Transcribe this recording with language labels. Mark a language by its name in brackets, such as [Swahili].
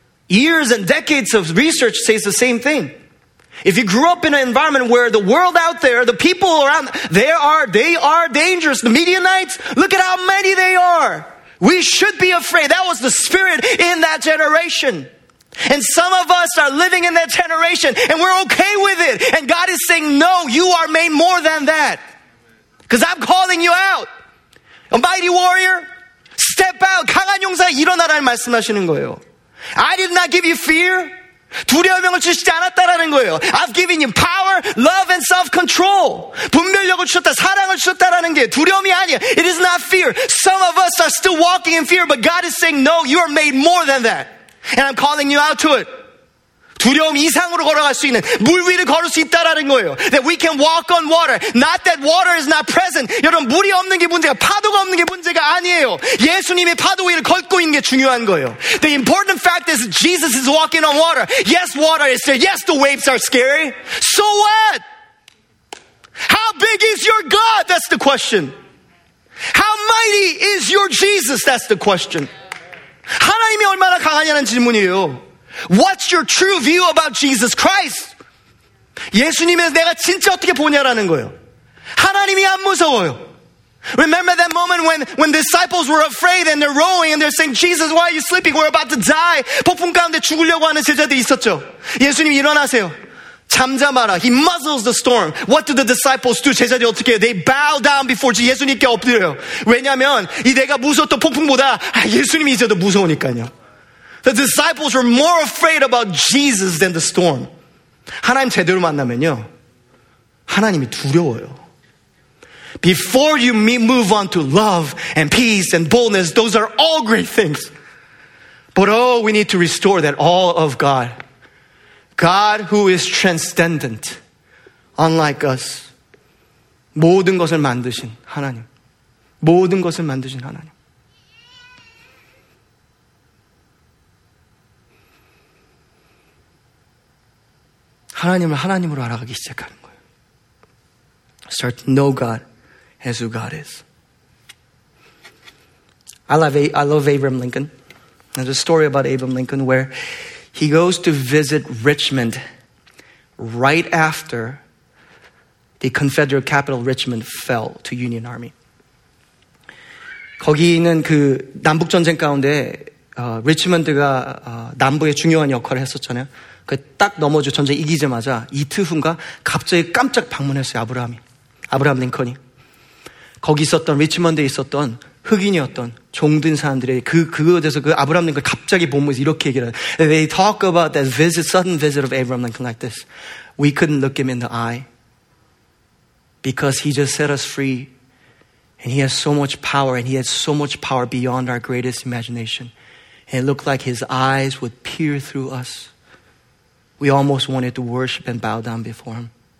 [English] Years and decades of research says the same thing. If you grew up in an environment where the world out there, the people around, they are dangerous. The Midianites, look at how many they are. We should be afraid. That was the spirit in that generation. And some of us are living in that generation and we're okay with it. And God is saying, no, you are made more than that. Because I'm calling you out. A mighty warrior, step out. [Korean] 강한 용사 일어나라는 말씀하시는 거예요. [English] I did not give you fear. [Korean] 두려움을 주시지 않았다라는 거예요. [English] I've given you power, love and self-control. [Korean] 분별력을 주셨다, 사랑을 주셨다라는 게 두려움이 아니야. [English] It is not fear. Some of us are still walking in fear, but God is saying, no, you are made more than that. And I'm calling you out to it. [Korean] 두려움 이상으로 걸어갈 수 있는, 물 위를 걸을 수 있다라는 거예요. [English] That we can walk on water. Not that water is not present. [Korean] 여러분, 물이 없는 게 문제가, 파도가 없는 게 문제가 아니에요. 예수님이 파도 위를 걷고 있는 게 중요한 거예요. [English] The important fact is Jesus is walking on water. Yes, water is there. Yes, the waves are scary. So what? How big is your God? That's the question. How mighty is your Jesus? That's the question. [Korean] 하나님이 얼마나 강하냐는 질문이에요. [English] What's your true view about Jesus Christ? [Korean] 예수님을 내가 진짜 어떻게 보냐라는 거예요. 하나님이 안 무서워요. [English] Remember that moment when disciples were afraid and they're rowing and they're saying, Jesus, why are you sleeping? We're about to die. [Korean] 폭풍 가운데 죽으려고 하는 제자들이 있었죠. 예수님 일어나세요. 잠잠하라. [English] He muzzles the storm. What do the disciples do? [Korean] 제자들이 어떻게 해요? [English] They bow down before [Korean] 예수님께 엎드려요. 왜냐하면 이 내가 무서웠던 폭풍보다 예수님이 이제도 무서우니까요. [English] The disciples were more afraid about Jesus than the storm. [Korean] 하나님 제대로 만나면요. 하나님이 두려워요. [English] Before you move on to love and peace and boldness, those are all great things. But oh, we need to restore that awe of God. God who is transcendent, unlike us. [Korean] 모든 것을 만드신 하나님. 모든 것을 만드신 하나님. 하나님을 하나님으로 알아가기 시작하는 거예요. [English] Start to know God as who God is. I love Abraham Lincoln. There's a story about Abraham Lincoln where he goes to visit Richmond right after the Confederate capital Richmond fell to Union Army. [Korean] 거기는 그 남북 전쟁 가운데 리치먼드가 남부에 중요한 역할을 했었잖아요. 그 딱 넘어져 전쟁 이기자마자 이틀 후인가 갑자기 깜짝 방문했어요. 아브라함 링컨이. 거기 있었던 리치먼드에 있었던 흑인이었던 종든 사람들의 그곳에서 그 아브라함 링컨 갑자기 보면서 이렇게 얘기를 해요. [English] They talk about that visit, sudden visit of Abraham Lincoln like this. We couldn't look him in the eye because he just set us free and he has so much power and he has so much power beyond our greatest imagination. And it looked like his eyes would peer through us. We almost wanted to worship and bow down before him.